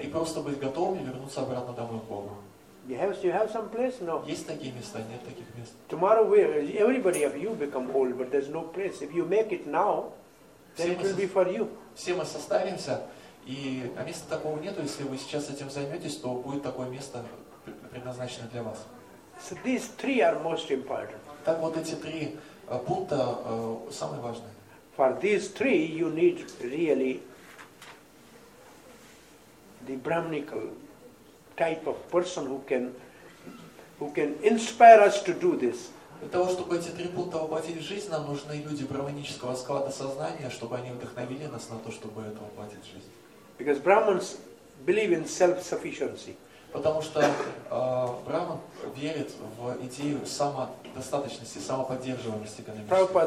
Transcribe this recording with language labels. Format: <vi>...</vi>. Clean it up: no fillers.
<ru>И просто быть готовыми вернуться обратно домой к Богу.</ru> <en>You have some place? No.</en> <ru>Есть такие места, нет таких мест.</ru> <en>Tomorrow everybody of you become old, but there's no place. If you make it now, then it will be for you.</en> <ru>Все мы состаримся, И а места такого нету, если вы сейчас этим займетесь, то будет такое место предназначено для вас.</ru> <en>So these three are most important.</en> <ru>Так вот эти три пункта самые важные.</ru> <en>For these three you need really the brahminical type of person who can inspire us to do this.</en> <ru>Для того, чтобы эти три пункта воплотить в жизнь, нам нужны люди брахманического склада сознания, чтобы они вдохновили нас на то, чтобы это воплотить в жизнь.</ru> <en>Because Brahmins believe in self-sufficiency.</en> <ru>Потому что Брахман верит в идею самодостаточности, самоподдерживаемости экономической.</ru>